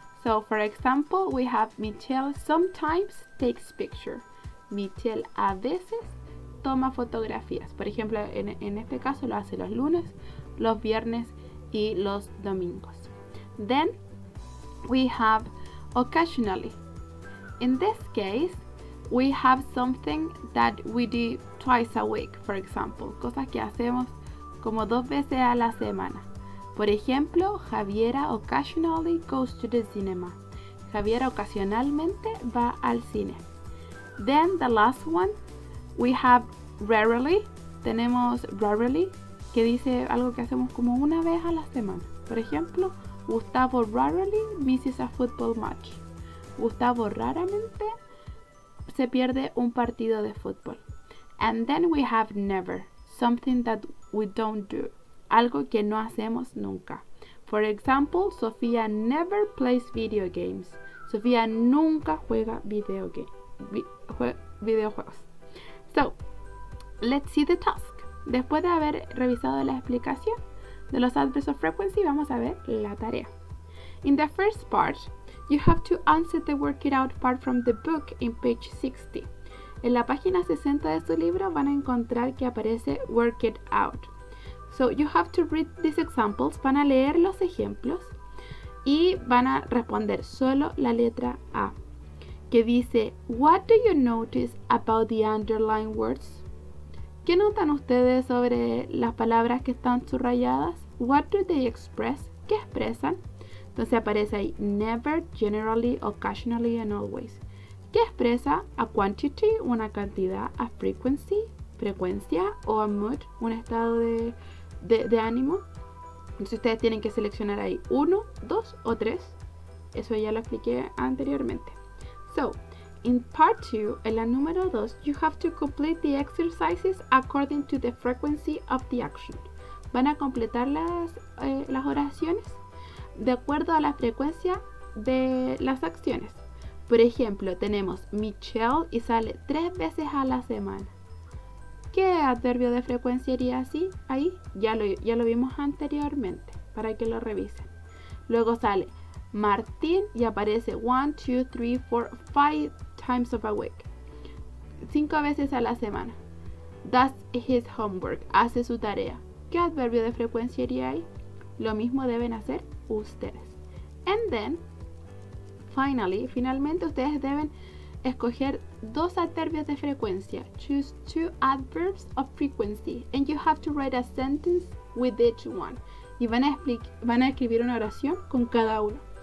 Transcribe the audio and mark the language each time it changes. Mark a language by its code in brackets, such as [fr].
[en] So, for example, we have Michelle sometimes takes picture. [es] Michelle a veces toma fotografías. Por ejemplo, en este caso lo hace los lunes, los viernes y los domingos. [en] Then, we have occasionally. In this case, we have something that we do twice a week, for example. [es] Cosas que hacemos como 2 veces a la semana. Por ejemplo, [en] Javiera occasionally goes to the cinema. [es] Javiera ocasionalmente va al cine. [en] Then, the last one, we have rarely. [es] Tenemos rarely, que dice algo que hacemos como una vez a la semana. Por ejemplo, [en] Gustavo rarely misses a football match. [es] Gustavo raramente se pierde un partido de fútbol. [en] And then we have never, something that we don't do. [es] Algo que no hacemos nunca. [en] For example, Sofía never plays video games. [es] Sofía nunca juega videojuegos. [en] So, let's see the task. [es] Después de haber revisado la explicación de los adverbs of frequency, vamos a ver la tarea. [en] In the first part, you have to answer the work it out part from the book in page 60. [es] En la página 60 de su libro van a encontrar que aparece work it out. [en] So you have to read these examples, [es] van a leer los ejemplos y van a responder solo la letra A, que dice, [en] what do you notice about the underlined words? [es] ¿Qué notan ustedes sobre las palabras que están subrayadas? [en] What do they express? [es] ¿Qué expresan? Entonces aparece ahí, never, generally, occasionally and always. ¿Qué expresa? [en] A quantity, [es] una cantidad, [en] a frequency, [es] frecuencia, o [en] a mood, [es] un estado de ánimo. Entonces ustedes tienen que seleccionar ahí 1, 2 o 3. Eso ya lo expliqué anteriormente. [en] So, in part 2, [es] en la número 2, [en] you have to complete the exercises according to the frequency of the action. [es] Van a completar las oraciones de acuerdo a la frecuencia de las acciones. Por ejemplo, tenemos Michelle y sale 3 veces a la semana. ¿Qué adverbio de frecuencia iría así? Ahí ya lo vimos anteriormente, para que lo revisen. Luego sale Martín y aparece 1, 2, 3, 4, 5 [en] times of a week. [es] 5 veces a la semana. [en] Does his homework. [es] Hace su tarea. ¿Qué adverbio de frecuencia iría ahí? Lo mismo deben hacer ustedes. [en] And then, finally, [es] finalmente ustedes deben escoger 2 adverbios de frecuencia. [en] Choose 2 adverbs of frequency. And you have to write a sentence with each one. [es] Y van a escribir una oración con cada uno.